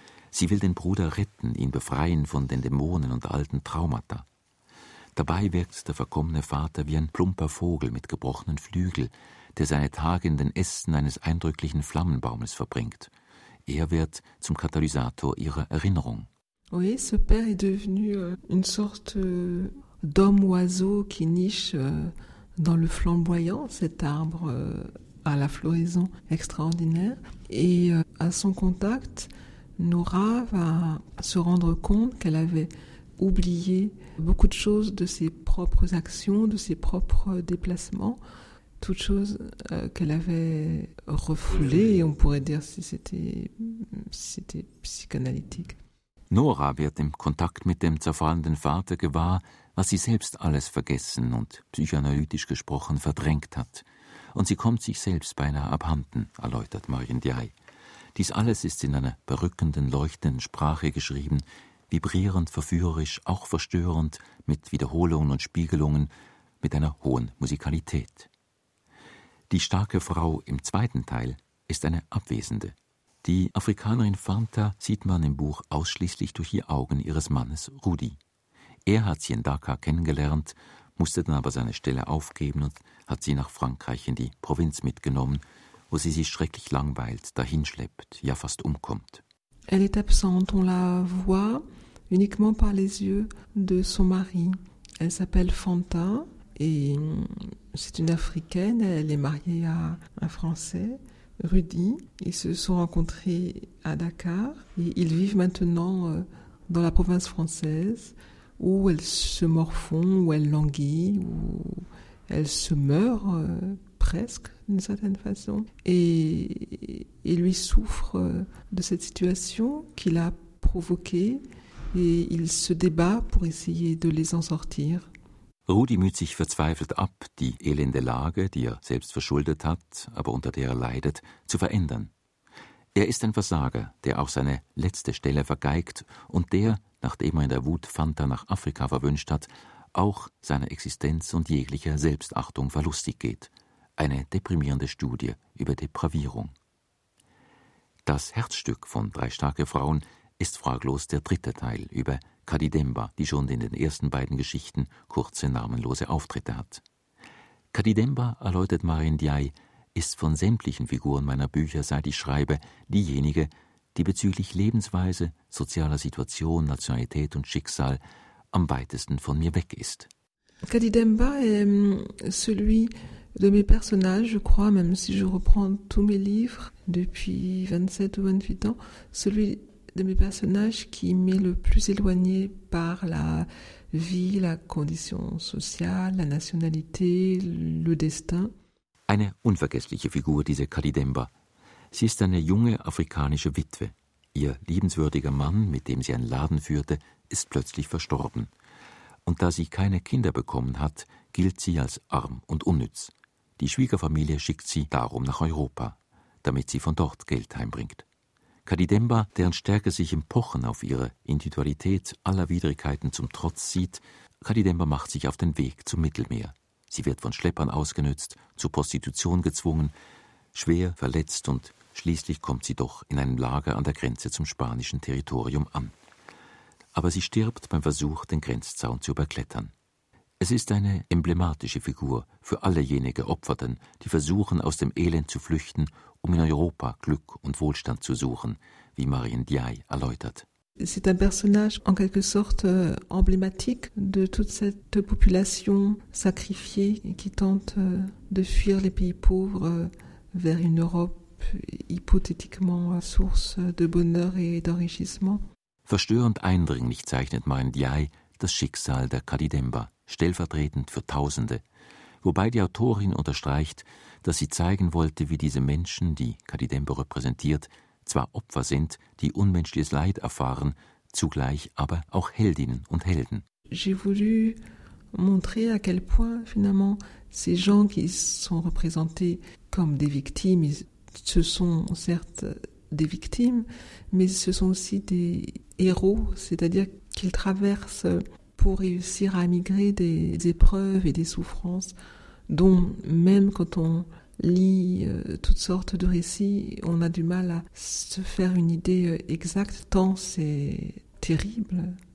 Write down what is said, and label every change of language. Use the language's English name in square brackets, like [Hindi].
[German] Sie will den Bruder retten, ihn befreien von den Dämonen und alten Traumata. Dabei wirkt der verkommene Vater wie ein plumper Vogel mit gebrochenen Flügeln, der seine Tage in den Ästen eines eindrücklichen Flammenbaumes verbringt. Er wird zum Katalysator ihrer Erinnerung. [French] Oui, ce père est devenu une sorte d'homme-oiseau qui niche dans le flamboyant, cet arbre à la floraison extraordinaire. Et à son contact, Nora va se rendre compte qu'elle avait oublié beaucoup de choses de ses propres actions, de ses propres déplacements, toutes choses qu'elle avait refoulées, et on pourrait dire si c'était psychanalytique. [German] Nora wird im Kontakt mit dem zerfallenden Vater gewahr, was sie selbst alles vergessen und psychoanalytisch gesprochen verdrängt hat. Und sie kommt sich selbst beinahe abhanden, erläutert Marion Diay. Dies alles ist in einer berückenden, leuchtenden Sprache geschrieben, vibrierend, verführerisch, auch verstörend, mit Wiederholungen und Spiegelungen, mit einer hohen Musikalität. Die starke Frau im zweiten Teil ist eine Abwesende. Die Afrikanerin Fanta sieht man im Buch ausschließlich durch die Augen ihres Mannes Rudi. Er hat sie in Dakar kennengelernt, musste dann aber seine Stelle aufgeben und hat sie nach Frankreich in die Provinz mitgenommen, wo sie sich schrecklich langweilt, dahinschleppt, ja fast umkommt. [French] Elle est absente, on la voit uniquement par les yeux de son mari. Elle s'appelle Fanta et c'est une Africaine, elle est mariée à un Français. Rudi, ils se sont rencontrés à Dakar et ils vivent maintenant dans la province française où elle se morfond, où elle languit, où elle se meurt presque d'une certaine façon. Et lui souffre de cette situation qu'il a provoquée et il se débat pour essayer de les en sortir. [German] Rudi müht sich verzweifelt ab, die elende Lage, die er selbst verschuldet hat, aber unter der er leidet, zu verändern. Er ist ein Versager, der auch seine letzte Stelle vergeigt und der, nachdem er in der Wut Fanta nach Afrika verwünscht hat, auch seiner Existenz und jeglicher Selbstachtung verlustig geht. Eine deprimierende Studie über Depravierung. Das Herzstück von Drei starke Frauen ist fraglos der dritte Teil über Kadidemba, die schon in den ersten beiden Geschichten kurze, namenlose Auftritte hat. Kadidemba, erläutert Marion Diay, ist von sämtlichen Figuren meiner Bücher, seit ich schreibe, diejenige, die bezüglich Lebensweise, sozialer Situation, Nationalität und Schicksal am weitesten von mir weg ist. [French] Kadidemba [German] ist [French] celui de mes personnages, je crois, même si je reprends tous mes livres depuis 27 ou 28 ans, celui de mes personnages qui m'est le plus éloigné par la vie, la condition sociale, la nationalité, le destin. [German] Eine unvergessliche Figur, diese Kadidemba. Sie ist eine junge afrikanische Witwe. Ihr liebenswürdiger Mann, mit dem sie einen Laden führte, ist plötzlich verstorben. Und da sie keine Kinder bekommen hat, gilt sie als arm und unnütz. Die Schwiegerfamilie schickt sie darum nach Europa, damit sie von dort Geld heimbringt. Kadidemba, deren Stärke sich im Pochen auf ihre Individualität aller Widrigkeiten zum Trotz sieht, Kadidemba macht sich auf den Weg zum Mittelmeer. Sie wird von Schleppern ausgenützt, zur Prostitution gezwungen, schwer verletzt und schließlich kommt sie doch in einem Lager an der Grenze zum spanischen Territorium an. Aber sie stirbt beim Versuch, den Grenzzaun zu überklettern. Es ist eine emblematische Figur für alle jene Geopferten, die versuchen, aus dem Elend zu flüchten, um in Europa Glück und Wohlstand zu suchen, wie Marion Diay erläutert. [French] C'est un personnage en quelque sorte emblématique de toute cette population sacrifiée qui tente de fuir les pays pauvres vers une Europe hypothétiquement source de bonheur et d'enrichissement. [German] Verstörend eindringlich zeichnet Marion Diay das Schicksal der Kadidemba, stellvertretend für Tausende. Wobei die Autorin unterstreicht, dass sie zeigen wollte, wie diese Menschen, die Kadidemba repräsentiert, zwar Opfer sind, die unmenschliches Leid erfahren, zugleich aber auch Heldinnen und Helden. [French] J'ai voulu montrer à quel point finalement ces gens qui sont représentés comme des victimes, ce sont certes des victimes, mais ce sont aussi des héros, c'est-à-dire qu'ils traversent pour réussir à migrer des épreuves et des souffrances dont même quand on lit toutes sortes de récits, on a du mal à se faire une idée exacte, tant c'est terrible.